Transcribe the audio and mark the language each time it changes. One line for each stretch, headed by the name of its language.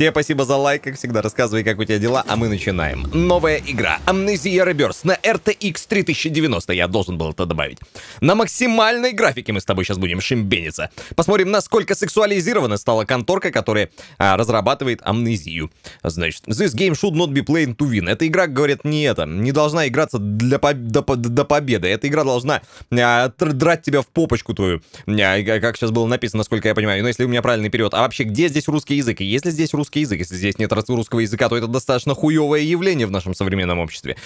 Russian: Тебе спасибо за лайк, как всегда, рассказывай, как у тебя дела, а мы начинаем. Новая игра, Amnesia Rebirth на RTX 3090, я должен был это добавить. На максимальной графике мы с тобой сейчас будем шимбениться. Посмотрим, насколько сексуализирована стала конторка, которая разрабатывает Amnesia.
English: Значит, this game should not be playing to win.
Russian: Эта игра, говорят, не это, не должна играться для до победы. Эта игра должна драть тебя в попочку твою. Как сейчас было написано, насколько я понимаю. Но если у меня правильный перевод. А вообще, где здесь русский язык? Если здесь русский язык, если здесь нет русского языка, то это достаточно хуевое явление в нашем современном обществе.